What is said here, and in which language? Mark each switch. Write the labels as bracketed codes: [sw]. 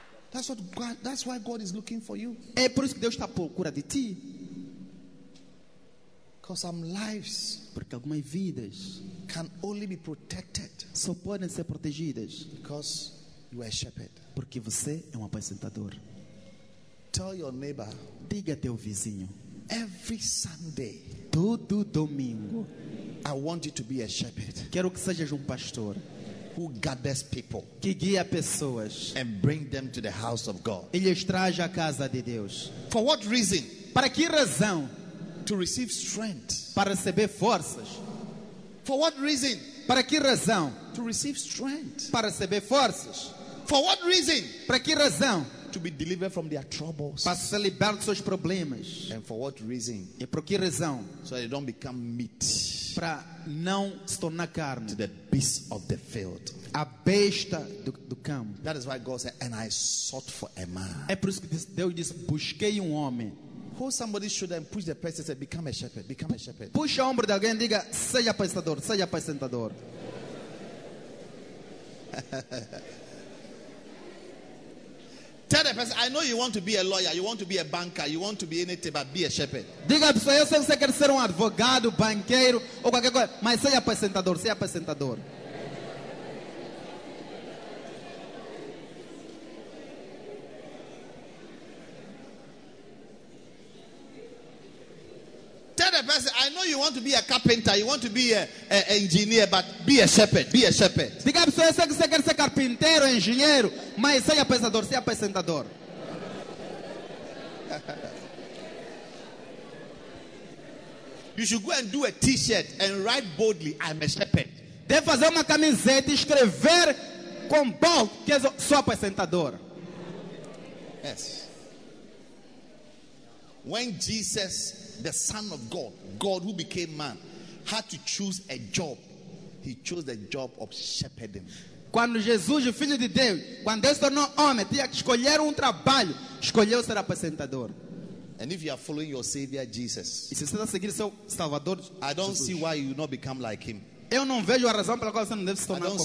[en] That's what God, that's why God is looking for you. [pt] É por isso que Deus está procurando de ti. [en] Because some lives, [pt] porque algumas vidas, [en] can only be protected, [pt] só podem ser protegidas, [en] because you are a shepherd, [pt] porque você é um apacentador. [en] Tell your neighbor, [pt] diga teu vizinho, [en] every Sunday, [pt] todo domingo, [en] I want you to be a shepherd, [pt] quero que sejas um pastor. [en] who gathers people, [pt] que guia pessoas, [en] and bring them to the house of God. [pt] E lhes traz à casa de Deus. [en] For what reason? [pt] Para que razão? [en] To receive strength. [pt] Para receber forças. [en] For what reason? [pt] Para que razão? [en] To receive strength. [pt] Para receber forças. [en] For what reason? [pt] Para que razão? [en] To be delivered from their troubles. [pt] Para ser liberto dos seus problemas. [en] And for what reason? [pt] E por que razão? [en] So they don't become meat. [pt] Para não se tornar carne. [en] To the beast of the field. [pt] A besta do campo. [en] That is why God said, "And I sought for a man." [pt] É por isso que Deus disse, busquei homem. [en] Hold somebody should and push the person and say, "Become a shepherd. Become a shepherd." [pt] Puxa o ombro de alguém e diga, seja pastor, seja apacentador. [en] Tell the person, "I know you want to be a lawyer, you want to be a banker, you want to be anything, but be a shepherd." [pt] Diga a pessoa, eu sei que você quer ser advogado, banqueiro, ou qualquer coisa, mas seja apresentador, seja apresentador. [en] Tell the person, "I know you want to be a carpenter, you want to be an engineer, but be a shepherd, be a shepherd." [pt] Diga a pessoa, eu sei que você quer ser carpinteiro, engenheiro, mas seja apresentador, seja apresentador. [en] You should go and do a t-shirt and write boldly, "I'm a shepherd." [pt] Deve fazer uma camiseta e escrever com bold que sou apresentador. [en] Yes. When Jesus, the Son of God, God who became man, had to choose a job, he chose the job of shepherding. [pt] Quando Jesus, o Filho de Deus, quando ele se tornou homem, tinha que escolher trabalho, escolheu ser apresentador. [en] And if you are following your Savior Jesus, [pt] e se você está seguindo seu Salvador, [en] I don't Jesus, see why you will not become like him. [pt] Eu não vejo a razão pela qual você não deve se tornar como ele.